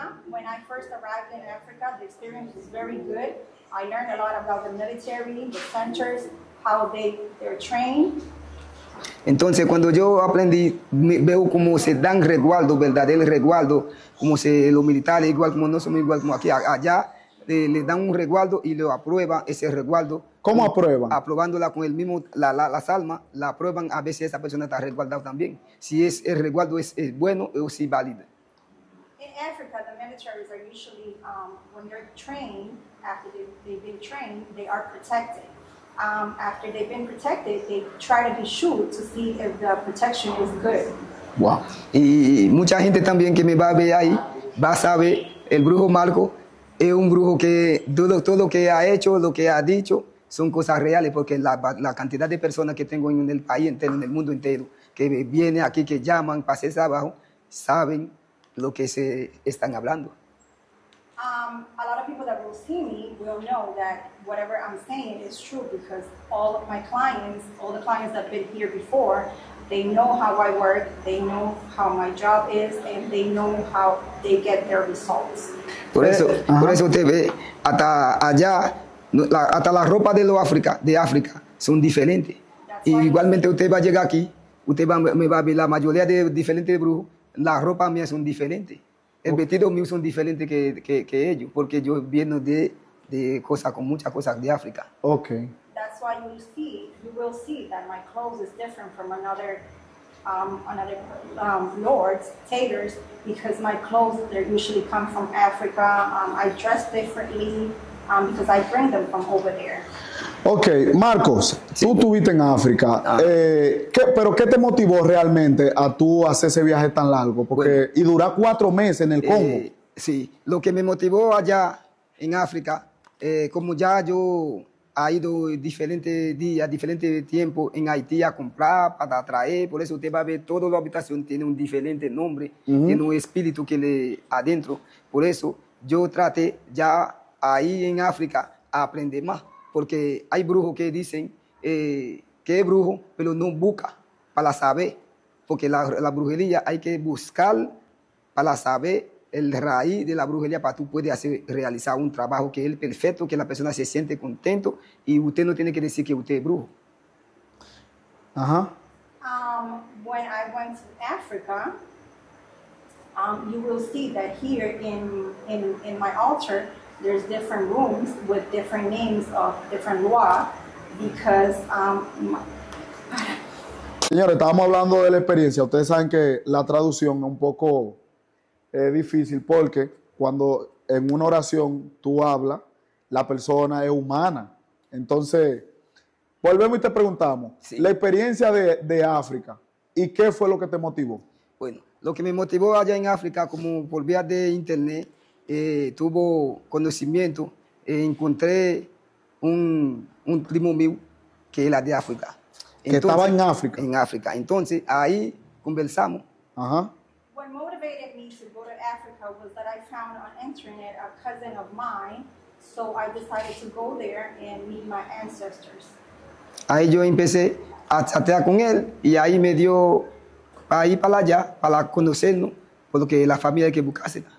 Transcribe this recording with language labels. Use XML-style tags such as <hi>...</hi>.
<en>When I first arrived in Africa, the experience was very good. I learned a lot about the military, the centers, how they're trained.</en> <es>Entonces, cuando yo aprendí, veo cómo se dan resguardo, verdad, el resguardo, como se los militares, igual como no somos igual como aquí, allá, le dan un resguardo y lo aprueban ese resguardo. ¿Cómo aprueban? Aprobándola con el mismo, las almas, la aprueban a ver si esa persona está resguardada también. Si es el resguardo es bueno o si es válido.</es> <en>In Africa, the militaries are usually, when they're trained, after they've been trained, they are protected. After they've been protected, they try to be sure to see if the protection is good. Wow.</en> <es>Y mucha gente también que me va a ver ahí, va a saber, el brujo Marco es un brujo que todo lo que ha hecho, lo que ha dicho, son cosas reales, porque la cantidad de personas que tengo en el país entero, en el mundo entero, que viene aquí, que llaman, pase abajo, saben lo que se están hablando.</es> <en>A lot of people that will see me will know that whatever I'm saying is true, because all of my clients, all the clients that have been here before, they know how I work, they know how my job is, and they know how they get their results.</en> <es>Por eso usted ve, hasta allá, hasta la ropa de África son diferentes. Y igualmente usted va a llegar aquí, me va a ver la mayoría de diferentes brujos. La ropa mía son diferentes. El vestido mío son diferentes que ellos, porque yo vengo de cosas, con muchas cosas de África. Ok.</es> <en>That's why you will see that my clothes is different from another lords, tailors, because my clothes, they usually come from Africa. I dress differently because I bring them from over there.</en> <es>Ok, Marcos, sí. Tú estuviste en África, pero ¿qué te motivó realmente a tú hacer ese viaje tan largo? Porque, bueno, y durar 4 meses en el Congo. Sí, lo que me motivó allá en África, como ya yo he ido diferentes días, diferentes tiempos en Haití a comprar, para traer, por eso usted va a ver, toda la habitación tiene un diferente nombre, uh-huh. Tiene un espíritu que le adentro, por eso yo traté ya ahí en África a aprender más. Porque hay brujos que dicen que es brujo, pero no busca para saber. Porque la brujería hay que buscar para saber el raíz de la brujería para tú puedes hacer realizar un trabajo que es perfecto, que la persona se siente contento y usted no tiene que decir que usted es brujo. Ajá.</es> <en>When I went to Africa, you will see that here in my altar, there's different rooms with different names of different loa, because</en> <es>Señores, estábamos hablando de la experiencia. Ustedes saben que la traducción es un poco difícil, porque cuando en una oración tú hablas, la persona es humana. Entonces, volvemos y te preguntamos, sí. La experiencia de África, ¿y qué fue lo que te motivó? Bueno, lo que me motivó allá en África, como por vía de internet, tuvo conocimiento, encontré un primo mío que era de África. Entonces, que estaba en África. En África. Entonces, ahí conversamos. Ajá.</es> <en>What motivated me to go to Africa was that I found on internet a cousin of mine, so I decided to go there and meet my ancestors.</en> <es>Ahí yo empecé a chatear con él y ahí me dio para ir para allá, para conocernos, porque la familia hay que buscarse.</es>